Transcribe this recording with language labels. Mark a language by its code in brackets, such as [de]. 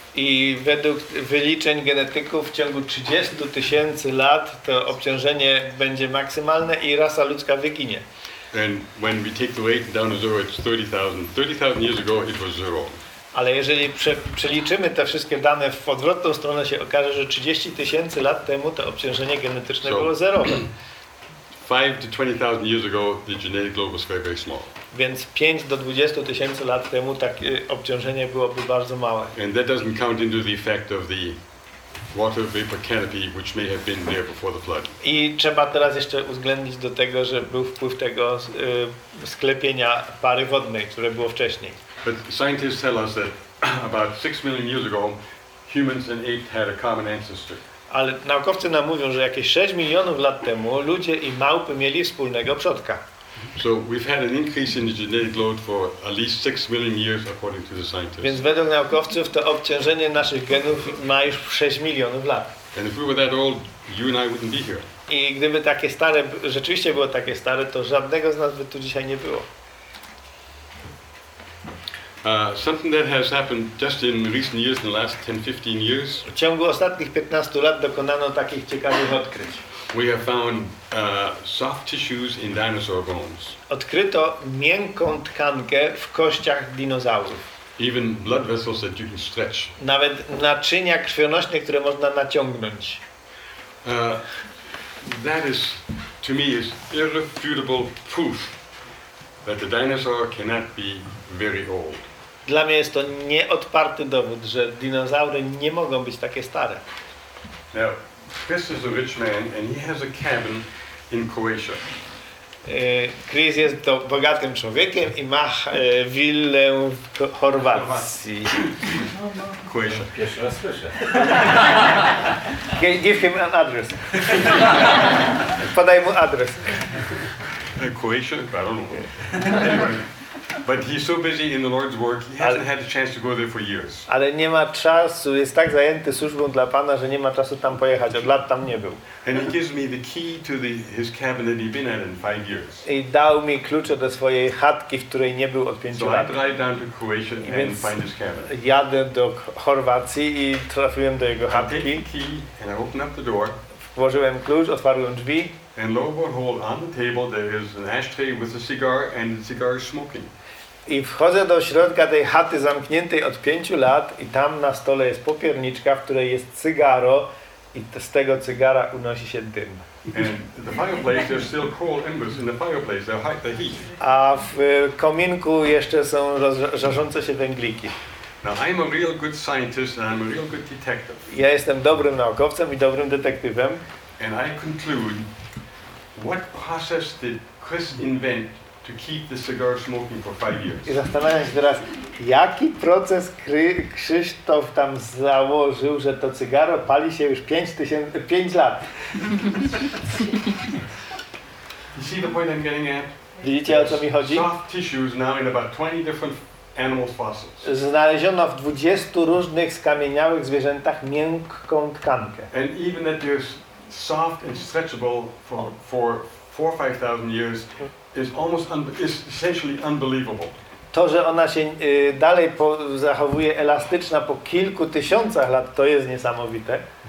[pl] I według wyliczeń genetyków w ciągu 30,000 lat to obciążenie będzie maksymalne i rasa ludzka wyginie. [en] And when we take the weight down to zero, it's 30,000. 30,000 years ago it was zero. [pl] Ale jeżeli przeliczymy te wszystkie dane w odwrotną stronę, się okaże, że 30,000 lat temu to obciążenie genetyczne było zerowe. [en] 5 to 20,000 years ago the genetic load was very, very small. [pl] Więc 5 do 20,000 lat temu takie obciążenie byłoby bardzo małe. [en] And that doesn't count into the effect of the water vapor canopy, which may have been there before the flood. [pl] I trzeba teraz jeszcze uwzględnić do tego, że był wpływ tego sklepienia pary wodnej, które było wcześniej. [en] But scientists tell us that about 6 million years ago, humans and apes had a common ancestor. [pl] Ale naukowcy nam mówią, że jakieś 6 milionów lat temu ludzie i małpy mieli wspólnego przodka. [en] So we've had an increase in the genetic load for at least 6 million years, according to the scientists. [pl] Więc według naukowców to obciążenie naszych genów ma już 6 milionów lat. [en] And if we were that old, you and I wouldn't be here. [pl] I gdyby takie stare, rzeczywiście było takie stare, to żadnego z nas by tu dzisiaj nie było. [en] Something that has happened just in recent years, in the last 10-15 years. [pl] W ciągu ostatnich 15 lat dokonano takich ciekawych odkryć. [en] We have found soft tissues in dinosaur bones. [pl] Odkryto miękką tkankę w kościach dinozaurów. [en] Even blood vessels that you can stretch. [pl] Nawet naczynia krwionośne, które można naciągnąć. [en] That is, to me, is irrefutable proof that the dinosaur cannot be very old. [pl] Dla mnie jest to nieodparty dowód, że dinozaury nie mogą być takie stare. [en] Now, Chris is a rich man and he has a cabin in Croatia. [pl] Chris jest to bogatym człowiekiem i ma willę w Chorwacji. [en] Croatia. [pl] Pierwszy raz słyszę. [en] Give him an address. [pl] Podaj mu adres. [en] Croatia? I don't know. Anyway. But he's so busy in the Lord's work, he hasn't had a chance to go there for years. [pl] Ale nie ma czasu, jest tak zajęty służbą dla Pana, że nie ma czasu tam pojechać. Od lat tam nie był. [en] And he gives me the key to his cabin that he'd been at in 5 years. [pl] I dał mi klucze do swojej chatki, w której nie był od 5 lat. [en] So I drive down to Croatia and find his cabin. [pl] Jadę do Chorwacji i trafiłem do jego chatki. [en] I take the key and I open up the door. [pl] Włożyłem klucz, otwarłem drzwi. [en] And lo and behold, on the table there is an ashtray with a cigar, and the cigar is smoking. [pl] I wchodzę do środka tej chaty zamkniętej od 5 lat i tam na stole jest popierniczka, w której jest cygaro i z tego cygara unosi się dym. [en] And the fireplace, there's still cold embers in the fireplace, they hide the heat. [pl] A w kominku jeszcze są żarzące się węgliki. [en] Now I'm a real good scientist and I'm a real good detective. [pl] Ja jestem dobrym naukowcem i dobrym detektywem. [en] And I conclude, what process did Chris invent to keep the cigar smoking for 5 years? [pl] I zastanawiam się teraz, jaki proces Krzysztof tam założył, że to cygaro pali się już 5 lat. [en] You see the point I'm getting at? [pl] Widzicie, o co mi chodzi? [en] Soft tissues now in about 20 different animal fossils. [pl] Znaleziono w 20 różnych skamieniałych zwierzętach miękką tkankę. [en] And even that they're soft and stretchable for 4-5,000 years is almost is essentially unbelievable. [pl] To, że ona się dalej zachowuje elastyczna po kilku tysiącach lat, to jest niesamowite.